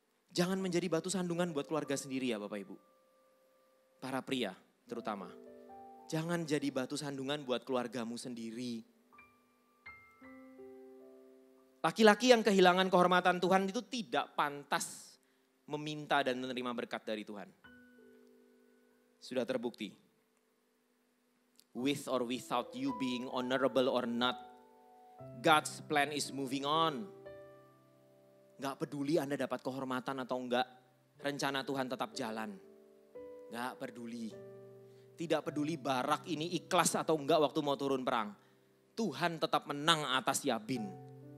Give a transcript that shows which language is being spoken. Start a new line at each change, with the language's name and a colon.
Indonesian: Jangan menjadi batu sandungan buat keluarga sendiri ya Bapak Ibu. Para pria terutama. Jangan jadi batu sandungan buat keluargamu sendiri. Laki-laki yang kehilangan kehormatan Tuhan itu tidak pantas meminta dan menerima berkat dari Tuhan. Sudah terbukti.
English: With or without you being honorable or not, God's plan is moving on.
Indonesian: Gak peduli Anda dapat kehormatan atau enggak, rencana Tuhan tetap jalan. Gak peduli. Tidak peduli barak ini ikhlas atau enggak waktu mau turun perang. Tuhan tetap menang atas Yabin.